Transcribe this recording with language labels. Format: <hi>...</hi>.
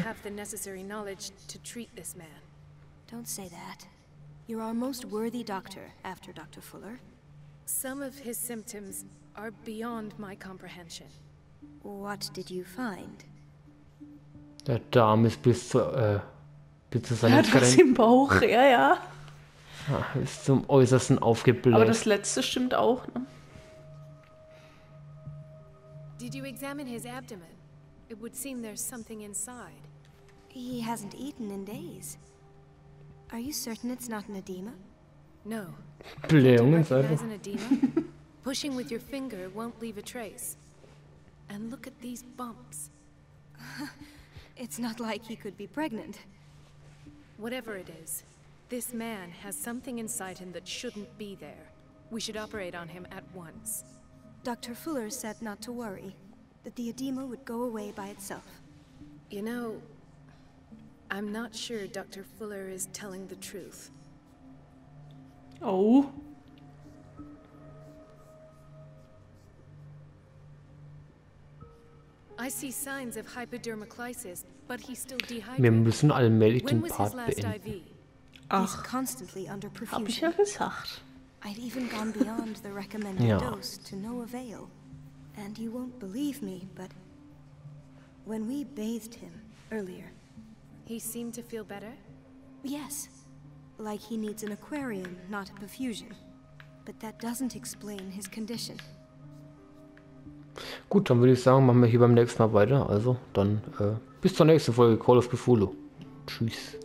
<en>I have the necessary knowledge to treat this man. Don't say that. You're our most worthy doctor after Dr. Fuller. Some of his symptoms are beyond my comprehension. What did you find?</en> <de>Der Darm ist bis zu seinem Grenzen. Er hat was im Bauch, ja, ja. Ist zum Äußersten aufgebläht. Aber das Letzte stimmt auch, ne?</de> <en>Did you examine his abdomen? It would seem there's something inside. He hasn't eaten in days. Are you certain it's not an edema? No.</en> <de>Blähungen sei.</de> <en>Pushing with your finger won't leave a trace. And look at these bumps. It's not like he could be pregnant. Whatever it is, this man has something inside him that shouldn't be there. We should operate on him at once. Dr. Fuller said not to worry. that the edema would go away by itself. You know, I'm not sure Dr. Fuller is telling the truth. Oh. I see signs of hypodermolysis, but he's still dehydrated.</en> <de>Wir müssen allmählich den Part beenden. Ach, hab ich ja gesagt.</de> <en>I'd even gone beyond the recommended</en> <de>ja.</de> <en>dose to no avail. And you won't believe me, but when we bathed him earlier, he seemed to feel better? Yes. Like he needs an aquarium, not a perfusion. But that doesn't explain his condition.</en> <de>Gut, dann würde ich sagen, machen wir hier beim nächsten Mal weiter. Also, dann bis zur nächsten Folge Call of Cthulhu. Tschüss.</de>